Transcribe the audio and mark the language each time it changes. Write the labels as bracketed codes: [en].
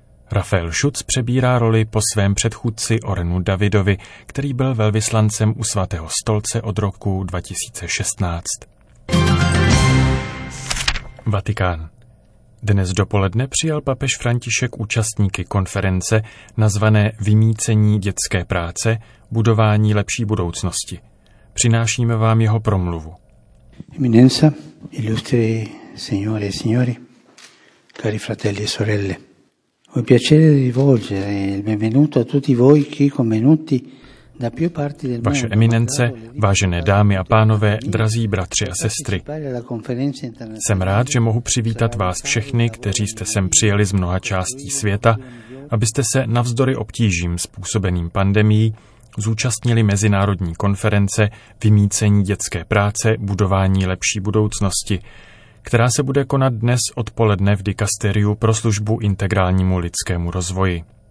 [cs] Rafael Schutz přebírá roli po svém předchůdci Orenu Davidovi, který byl velvyslancem u Svatého stolce od roku 2016. Vatikán. Dnes dopoledne přijal papež František účastníky konference nazvané Vymýcení dětské práce, budování lepší budoucnosti. Přinášíme vám jeho promluvu. [it] Eminenza, illustri signore e signori, cari fratelli e sorelle, ho il piacere di rivolgere il benvenuto a tutti voi che convenuti. [cs] Vaše eminence, vážené dámy a pánové, drazí bratři a sestry, jsem rád, že mohu přivítat vás všechny, kteří jste sem přijeli z mnoha částí světa, abyste se navzdory obtížím způsobeným pandemií zúčastnili mezinárodní konference Vymýcení dětské práce, budování lepší budoucnosti, která se bude konat dnes odpoledne v Dikasteriu pro službu integrálnímu lidskému rozvoji.